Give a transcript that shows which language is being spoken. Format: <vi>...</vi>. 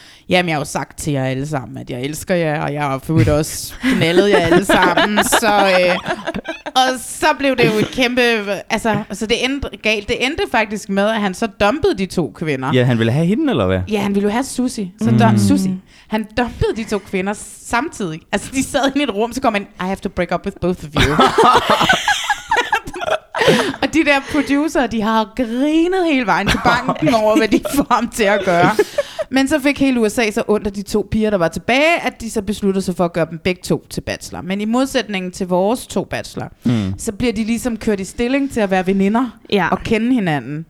<da>Jamen, jeg har jo sagt til jer alle sammen, at jeg elsker jer, og jeg har forhåbentlig også knaldet jer alle sammen. Så, og så blev det jo et kæmpe... Altså, så det endte galt. Det endte faktisk med, at han så dumpede de to kvinder. Ja, han ville have hende, eller hvad? Ja, han ville jo have Susi. Så Susi. Han dumpede de to kvinder samtidig. Altså, de sad inde i et rum, så kom han,</da> <en>I have to break up with both of you.</en> <da>Og de der producer, de har grinet hele vejen til banken over, hvad de får ham til at gøre. Men så fik hele USA så ondt af de to piger, der var tilbage, at de så besluttede sig for at gøre dem begge to til bachelor. Men i modsætning til vores to bachelor, så bliver de ligesom kørt i stilling til at være veninder og kende hinanden.</da>